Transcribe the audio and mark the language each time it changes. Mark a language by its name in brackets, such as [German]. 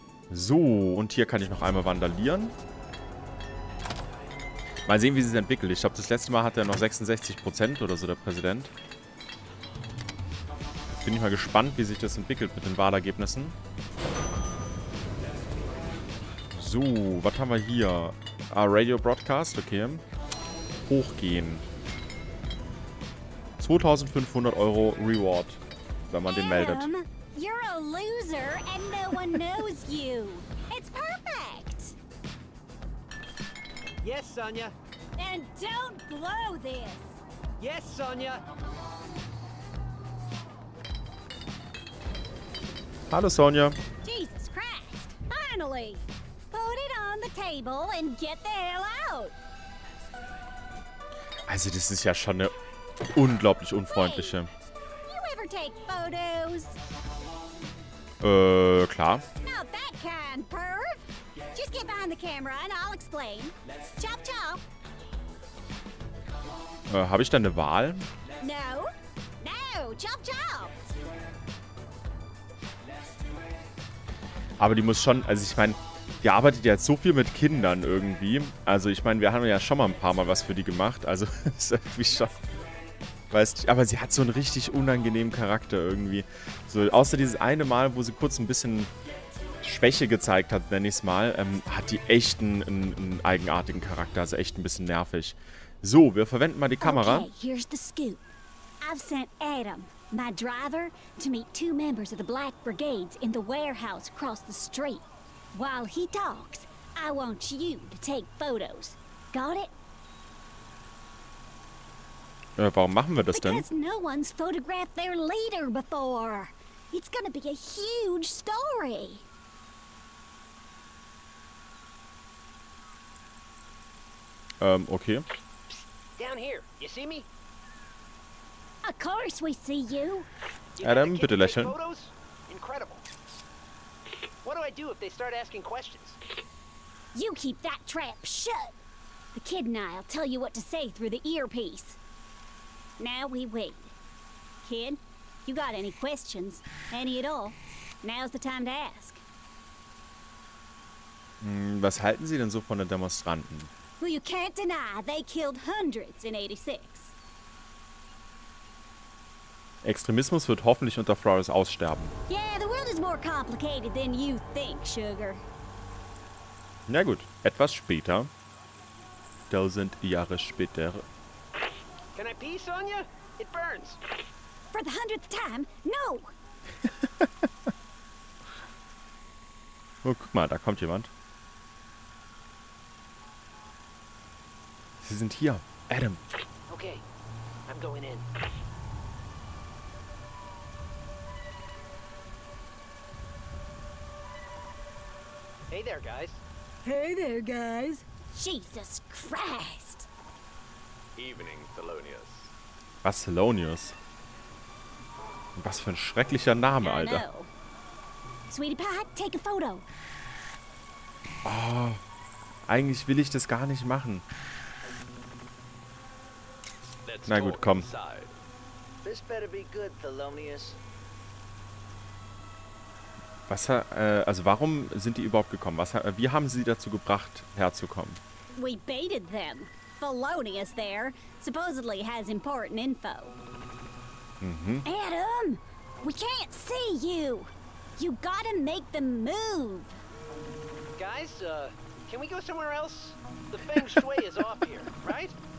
[German] So, und hier kann ich noch einmal vandalieren. Mal sehen, wie sie sich entwickelt. Ich glaube, das letzte Mal hatte er noch 66% oder so, der Präsident. Bin ich mal gespannt, wie sich das entwickelt mit den Wahlergebnissen. So, was haben wir hier? Ah, Radio Broadcast, okay. Hochgehen. 2500 Euro Reward, wenn man den meldet. [English] You're a loser and no one knows you. It's perfect. Yes, Sonya. And don't blow this. Yes, Sonya. [German] Hallo, Sonya. [English] Jesus Christ. Finally. Put it on the table and get the hell out. [German] Also, das ist ja schon eine unglaublich unfreundliche. [English] Hey, you ever take photos? [German] Klar. [English] Not that kind, perv. Just get behind the camera and I'll explain. Chop, chop. [German] Habe ich da eine Wahl? [English] No. No, chop, chop. [German] Aber die muss schon, also ich meine, die arbeitet ja jetzt so viel mit Kindern irgendwie. Also ich meine, wir haben ja schon mal ein paar Mal was für die gemacht. Also ist irgendwie schon... Weißt du, aber sie hat so einen richtig unangenehmen Charakter irgendwie. So, außer dieses eine Mal, wo sie kurz ein bisschen Schwäche gezeigt hat, nenne ich es mal, hat die echt einen eigenartigen Charakter, also echt ein bisschen nervig. So, wir verwenden mal die Kamera. [English] Okay, here's the scoop. I've sent Adam, my driver, to meet two members of the Black Brigades in the warehouse across the street. While he talks, I want you to take photos. Got it? [German] Warum machen wir das denn? [English] Because no one's photographed their leader before. It's gonna be a huge story. Okay. Down here. You see me? Of course we see you. [German] Adam, bitte lächeln. [English] Incredible. What do I do if they start asking questions? You keep that trap shut. The kid and I'll tell you what to say through the earpiece. Now we wait. Kid, you got any questions? Any at all? Now's the time to ask. [German] Was halten Sie denn so von den Demonstranten? [English] Well, you can't deny they killed hundreds in 86. [German] Extremismus wird hoffentlich unter Flores aussterben. [English] Yeah, the world is more complicated than you think, Sugar. [German] Na gut, etwas später. 1000 Jahre später. [English] Can I pee, Sonja? It burns. For the 100th time, no! [German] Oh, guck mal, da kommt jemand. Sie sind hier, Adam. [English] Okay, I'm going in. Hey there, guys. Hey there, guys. Jesus Christ. Evening, Thelonious. [German] Was, Thelonious? Was für ein schrecklicher Name, Alter. [English] Sweetie Pie, take a photo. [German] Oh, eigentlich will ich das gar nicht machen. Na gut, komm. [English] This better be good, Thelonious. [German] Was, also warum sind die überhaupt gekommen? Was, wie haben sie dazu gebracht, herzukommen? [English] We baited them. Thelonious there supposedly has important info. Mhm. Adam, we can't see you. You gotta make them move. Guys, can we go somewhere else? The Feng Shui is off here, right?